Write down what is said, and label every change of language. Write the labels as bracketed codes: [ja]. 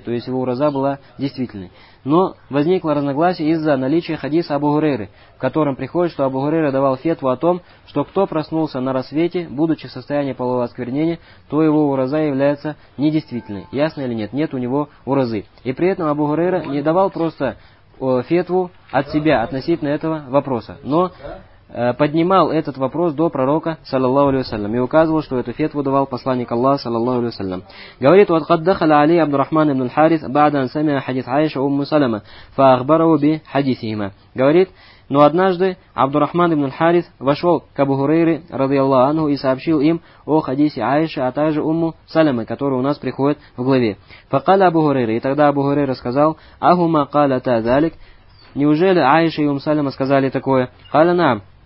[ru] То есть его ураза была действительной. Но возникло разногласие из-за наличия хадиса Абу Хурейры, в котором приходит, что Абу Хурейра давал фетву о том, что кто проснулся на рассвете, будучи в состоянии полового осквернения, то его ураза является недействительной. Ясно или нет? Нет у него уразы. И при этом Абу Хурейра не давал просто фетву от себя относительно этого вопроса. Но поднимал этот вопрос до пророка, саллаллаху алейхи ва саллям, и указывал, что эту фетву давал посланник Аллаха, саллаллаху алейхи ва саллям. Говорит, вот [ar] قد دخل علي عبد الرحمن بن الحارث بعد أن سمع حديث عائشة أم سلمة فأخبره بحديثهما. [ru] Говорит, но однажды Абдурахман ибн аль-Харис вошел к Абу Хурейре, радиаллаху анху, и сообщил им о хадисе Аиши, а также Умму Салямы, который у нас приходит в главе. Факаля Абу Хурейре, и тогда Абу Хурейра сказал, [ar] ахума каля та залик, [ru] неужели Аиша и Умму Салямы сказали такое? [ar] Каля нам.